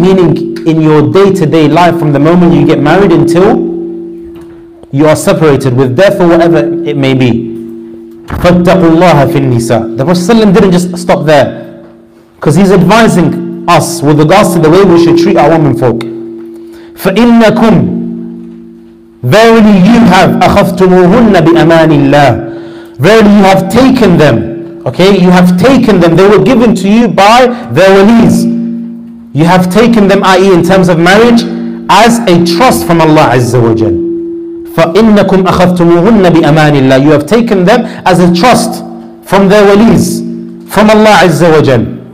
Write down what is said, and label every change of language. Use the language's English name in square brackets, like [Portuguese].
[English] Meaning in your day-to-day life, from the moment you get married until you are separated with death or whatever it may be. [Arabic] فَاتَّقُوا اللَّهَ فِي النِّسَاءِ. [English] The Prophet ﷺ didn't just stop there, because he's advising us with regards to the way we should treat our women folk. [Arabic] فَإِنَّكُمْ, [English] verily you have, [Arabic] أَخَفْتُمُوهُنَّ بِأَمَانِ اللَّهِ, [English] Verily you have taken them. Okay, you have taken them. They were given to you by their walis. You have taken them, i.e. in terms of marriage, as a trust from Allah Azza wa Jal. [Arabic] فَإِنَّكُمْ أَخَذْتُمُهُنَّ بِأَمَانِ اللَّهِ. [English] You have taken them as a trust from their walis, from Allah Azza wa Jal.